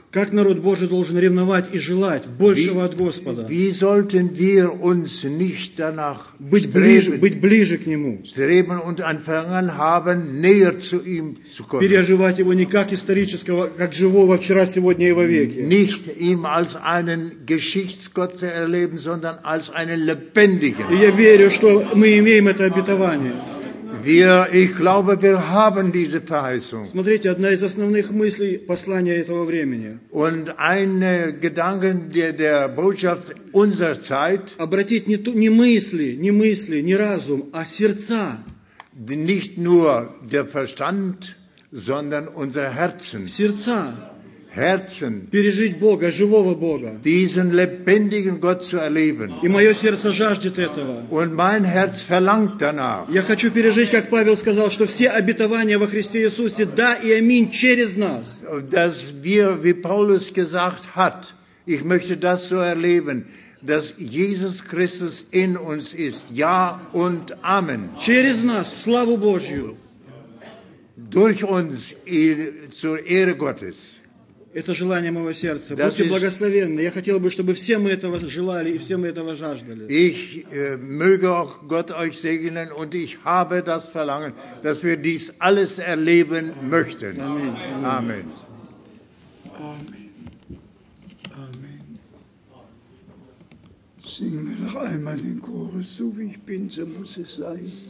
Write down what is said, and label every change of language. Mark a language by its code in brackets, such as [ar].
[ru] Как народ Божий должен ревновать и желать большего от Господа? [de] Wie sollten wir uns nicht danach [ru] быть ближе к Нему? [de] Streben und ein Verlangen haben, näher zu ihm zu kommen. [ru] Переживать его не как исторического, как живого вчера, сегодня и во веки. [de] Nicht ihm als einen Geschichtsgott zu erleben, sondern als einen lebendigen. [ru] И я верю, что мы имеем это обетование. [de] Ich glaube, wir haben diese Verheißung. [ru] Смотрите, одна из основных мыслей послания этого времени. [de] Und ein Gedanke der Botschaft unserer Zeit. [ru] Обратить не мысли, не разум, а сердца. [de] Nicht nur der Verstand, sondern unsere Herzen. [ru] Сердца. [de] Herzen. [ru] Пережить Бога, живого Бога. [de] Diesen lebendigen Gott zu erleben. [ru] И мое сердце жаждет этого. [de] Und mein Herz verlangt danach. [ru] Я хочу пережить, как Павел сказал, что все обетования во Христе Иисусе, да и аминь, через нас. [de] Dass wir, wie Paulus gesagt hat, ich möchte das so erleben, dass Jesus Christus in uns ist, ja und amen. [ru] Через нас, в славу Божью. [de] Durch uns, zur Ehre Gottes. [ru] Это желание моего сердца. Будьте благословенны. Я хотел бы, чтобы все мы этого желали и все мы этого жаждали. [de] Ich möge auch Gott euch segnen und ich habe das Verlangen, dass wir dies alles erleben möchten. Amen. Amen. Amen. Amen. Singen wir noch einmal den Chorus, so wie ich bin, so muss es sein.